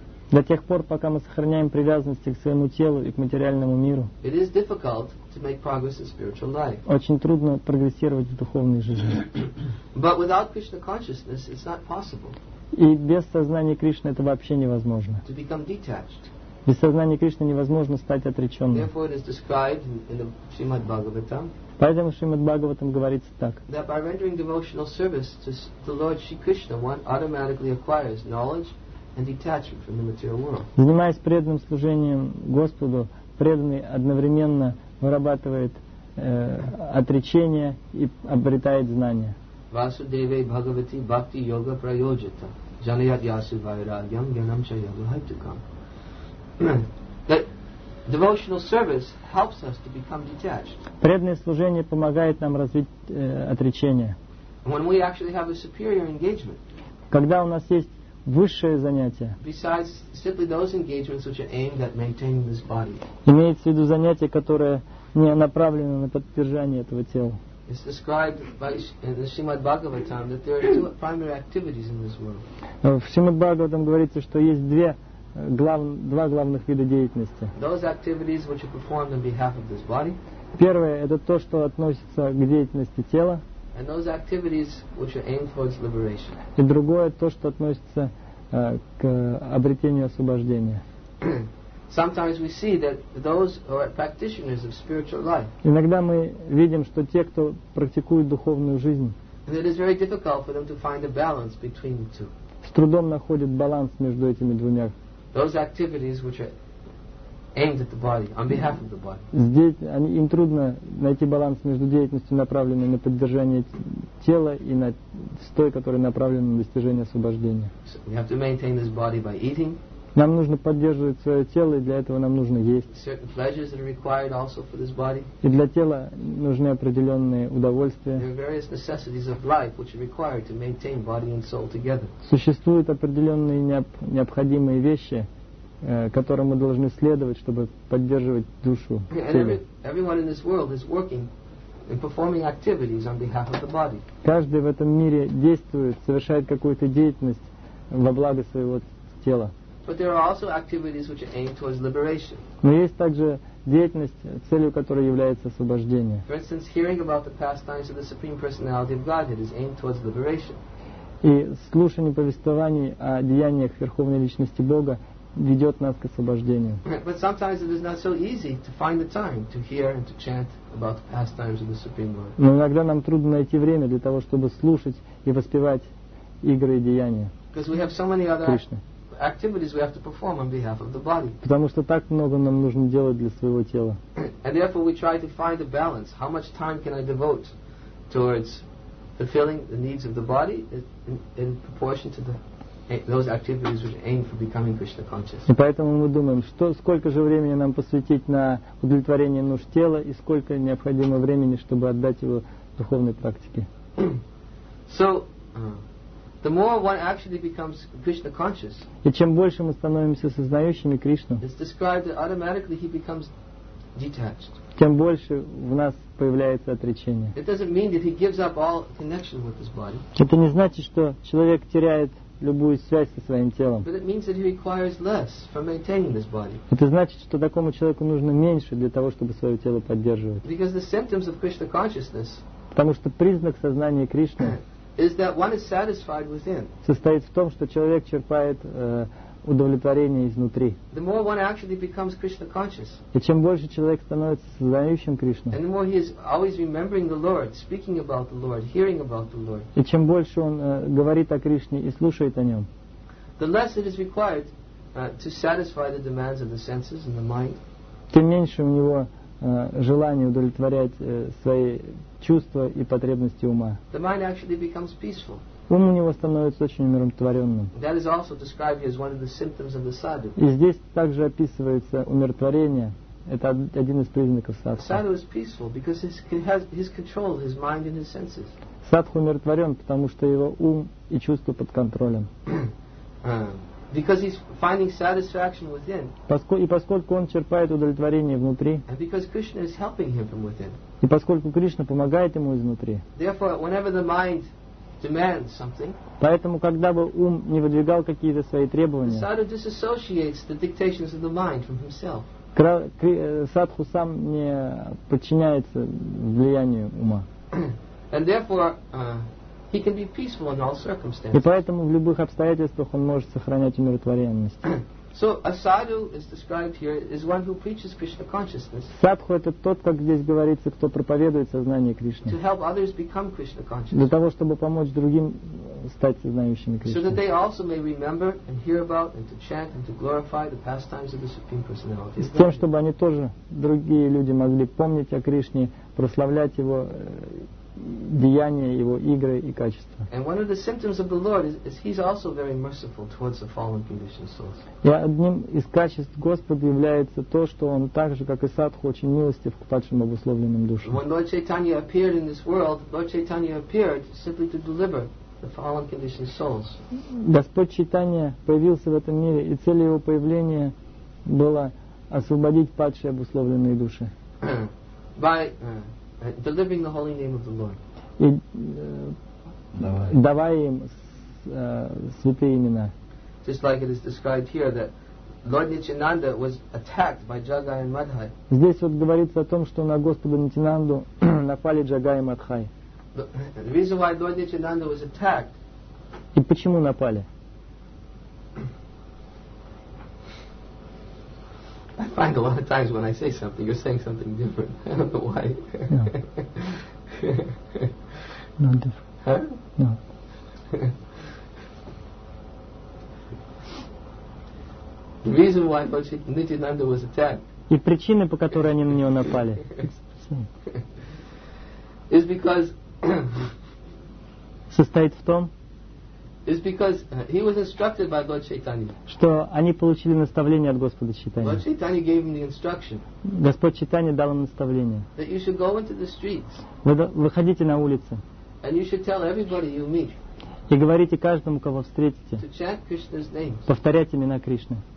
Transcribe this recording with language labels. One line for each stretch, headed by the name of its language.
Russian: До тех пор, пока мы сохраняем привязанности к своему телу и к материальному миру, очень трудно прогрессировать в духовной жизни.
English: But without Krishna consciousness, it's not possible.
Russian: И без сознания Кришны это вообще невозможно.
English: To become detached.
Russian: Без сознания Кришны невозможно стать отреченным.
English: Therefore, it is described in the Srimad Bhagavatam.
Russian: Поэтому в Шримад Бхагаватам говорится так.
English: That by rendering devotional service to the Lord Shri Krishna, one automatically acquires knowledge and detachment from the material world.
Russian: Занимаясь преданным служением Господу, преданный одновременно вырабатывает отречение и обретает знания.
Sanskrit: Васудеве Бхагавати Бхакти Йога Прайоджита Жанаят Ясу Вайрагьям Гьянам Чайогу Хайтукам.
English: That devotional service helps us to become detached.
Russian: Преданное служение помогает нам развить отречение.
English: When we actually have a superior engagement.
Russian: Когда у нас есть высшее занятие.
English: Besides simply those engagements which are aimed at maintaining this body.
Russian: Имеется в виду занятие, которое не направлены на поддержание этого тела.
English: It's described by in the Srimad Bhagavatam that there are two primary activities in this world.
Russian: В Srimad Bhagavatam говорится, что есть два главных вида деятельности.
English: Those activities which are performed on behalf of this body.
Russian: Первое это то, что относится к деятельности тела.
English: And those activities which are aimed towards liberation.
Russian: И другое то, что относится к обретению освобождения.
English: Sometimes we see that those who are practitioners of spiritual life.
Russian: Иногда мы видим, что те, кто практикует духовную жизнь,
English: it is very difficult for them to find a balance between the two.
Russian: С трудом находят баланс между этими двумя.
English: Those activities which are aimed at the body, on behalf of the body.
Russian: Им трудно найти баланс между деятельностью, направленной на поддержание тела, и с той, которая направлена на достижение освобождения.
English: So we have to maintain this body by eating.
Russian: Нам нужно поддерживать свое тело, и для этого нам нужно есть.
English: Certain pleasures that are required also for this body.
Russian: И для тела нужны определенные удовольствия.
English: There are various necessities of life which are required to maintain body and soul together.
Russian: Существуют определенные необходимые вещи, которым мы должны следовать, чтобы поддерживать душу.
English: Everyone in this world is working and performing activities on behalf of the body.
Russian: Каждый в этом мире действует, совершает какую-то деятельность во благо своего тела.
English: But there are also activities which are aimed towards liberation.
Russian: Но есть также деятельность, целью которой является освобождение.
English: For instance, hearing about the pastimes of the Supreme Personality of Godhead is aimed towards liberation.
Russian: И слушание повествований о деяниях Верховной Личности Бога ведет нас к освобождению.
English: But sometimes it is not so easy to find the time to hear and to chant about the pastimes of the Supreme Lord.
Russian: Но иногда нам трудно найти время для того, чтобы слушать и воспевать игры и деяния.
English: Because we have so many other activities we have to perform on behalf of the body.
Russian: Потому что так много нам нужно делать для своего тела.
English: And therefore we try to find a balance. How much time can I devote towards fulfilling the needs of the body in proportion to those activities which aim for becoming Krishna conscious.
Russian: И поэтому мы думаем, сколько же времени нам посвятить на удовлетворение нужд тела и сколько необходимо времени, чтобы отдать его духовной практике.
English: So, the more one actually becomes Krishna conscious.
Russian: И чем больше мы становимся сознающими Кришну.
English: It's described that automatically he becomes detached.
Russian: Тем больше в нас появляется отречение.
English: It doesn't mean that he gives up all connection with his body.
Russian: Это не значит, что человек теряет любую связь со своим телом.
English: But it means that he requires less for maintaining this body.
Russian: Это значит, что такому человеку нужно меньше для того, чтобы свое тело поддерживать.
English: Because the symptoms of Krishna consciousness.
Russian: Потому что признак сознания Кришны.
English: Is that one is satisfied within.
Russian: Состоит в том, что человек черпает удовлетворение изнутри.
English: The more one actually becomes Krishna conscious.
Russian: И чем больше человек становится сознающим Кришну.
English: And the more he is always remembering the Lord, speaking about the Lord, hearing about the Lord.
Russian: И чем больше он говорит о Кришне и слушает о нем.
English: The less it is required to satisfy the demands of the senses and the mind.
Russian: Тем меньше у него желание удовлетворять свои чувства и потребности ума.
English: The mind actually becomes peaceful.
Russian: Ум у него становится очень умиротворенным.
English: That is also described as one of the symptoms of the sadhu.
Russian: И здесь также описывается умиротворение. Это один из признаков садху.
English: Sadhu is peaceful because he has control his mind and his senses.
Russian: Садху умиротворен, потому что его ум и чувства под контролем.
English: Because he's finding satisfaction within.
Russian: И поскольку он черпает удовлетворение внутри.
English: And because Krishna is helping him from within.
Russian: И поскольку Кришна помогает ему изнутри.
English: Therefore, whenever the mind demands something.
Russian: Поэтому, когда бы ум не выдвигал какие-то свои требования.
English: The sadhu disassociates the dictations of the mind from himself.
Russian: Садху сам не подчиняется влиянию ума.
English: And therefore. He can be peaceful in all circumstances.
Russian: И поэтому в любых обстоятельствах он может сохранять умиротворенность.
English: So a sadhu is described here is one who preaches Krishna consciousness.
Russian: Садху это тот, как здесь говорится, кто проповедует сознание Кришны.
English: To help others become Krishna conscious.
Russian: Для того, чтобы помочь другим стать сознающими Кришны.
English: So that they also may remember and hear about and to chant and to glorify the pastimes of the Supreme Personality.
Russian: С тем, чтобы они тоже другие люди могли помнить о Кришне, прославлять его деяния, его игры и качества.
English: And one of the symptoms of the Lord is he's also very merciful towards the fallen conditioned souls.
Russian: И одним из качеств Господа является то, что он так же, как и садху, очень милостив к падшим обусловленным душам.
English: When Lord Chaitanya appeared in this world, Lord Chaitanya appeared simply to deliver the fallen conditioned souls.
Russian: Господь Чайтанья появился в этом мире, и целью его появления было освободить падшие обусловленные души.
English: by delivering the holy name of the Lord.
Russian: И давая им святые имена.
English: Just like it is described here that Lord Nityananda was attacked by Jagai and Madhai.
Russian: Здесь вот говорится о том, что на Господа Нитинанду напали Джагай и Мадхай.
English: The reason why Lord Nityananda was attacked.
Russian: И почему напали?
English: I find a lot of times when I say something, you're saying something different. I don't know why. No. Not different. Huh? No. The reason why Lord Nityananda was attacked.
Russian: И причины, по которой они на него напали.
English: Is because.
Russian: Состоит в том.
English: Is because he was instructed by Lord Chaitanya.
Russian: Что они получили наставление от Господа Чайтаньи.
English: Lord Chaitanya gave him the instruction.
Russian: Господь Чайтанья дал им наставление.
English: That you should go into the streets.
Russian: Выходите на улицы.
English: And you should tell everybody you meet.
Russian: И говорите каждому, кого встретите.
English: To chant Krishna's name.
Russian: Повторять имена Кришны.